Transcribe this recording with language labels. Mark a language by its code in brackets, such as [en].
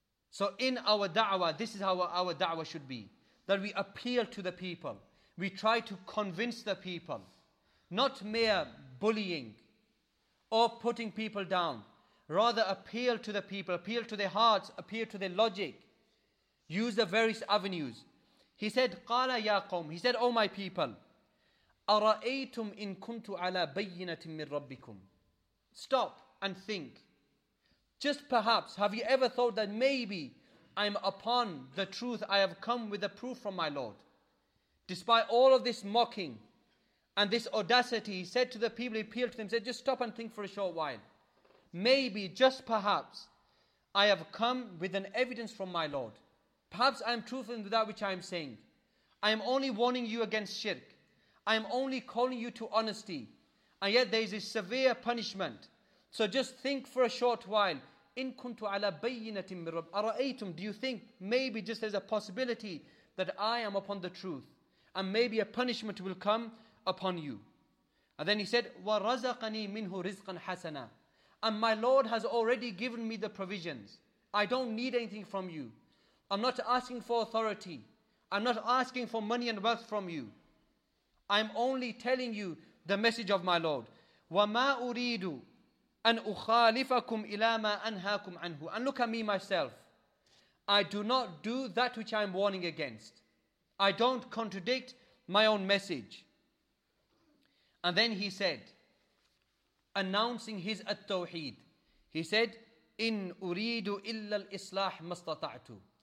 [en] So in our da'wah, this is how our da'wah should be. That we appeal to the people. We try to convince the people. Not mere bullying or putting people down. Rather appeal to the people, appeal to their hearts, appeal to their logic. Use the various avenues. He said, [ar] قَالَ يَا قَوْمِ. [en] He said, oh my people, [ar] أَرَأَيْتُمْ إِن كُنْتُ عَلَىٰ بَيِّنَةٍ مِّن رَبِّكُمْ. [en] Stop and think. Just perhaps, have you ever thought that maybe I'm upon the truth, I have come with the proof from my Lord. Despite all of this mocking and this audacity, he said to the people, he appealed to them, said, just stop and think for a short while. Maybe, just perhaps, I have come with an evidence from my Lord. Perhaps I am truthful in that which I am saying. I am only warning you against shirk. I am only calling you to honesty. And yet there is a severe punishment. So just think for a short while. [ar] إِن كُنْتُ عَلَىٰ بَيِّنَةٍ مِّن رَبِّ أَرَأَيْتُمْ. [en] Do you think maybe just there's a possibility that I am upon the truth and maybe a punishment will come upon you? And then he said, [ar] وَرَزَقَنِي مِنْهُ رِزْقًا حَسَنًا. [en] And my Lord has already given me the provisions. I don't need anything from you. I'm not asking for authority. I'm not asking for money and wealth from you. I'm only telling you the message of my Lord. [ar] وَمَا أُرِيدُ أَنْ أُخَالِفَكُمْ إِلَى مَا أَنْهَاكُمْ عَنْهُ. [en] And look at me myself. I do not do that which I am warning against. I don't contradict my own message. And then he said, announcing his at-tawheed, he said, [ar] "In uridu illa al-islah mastata'tu."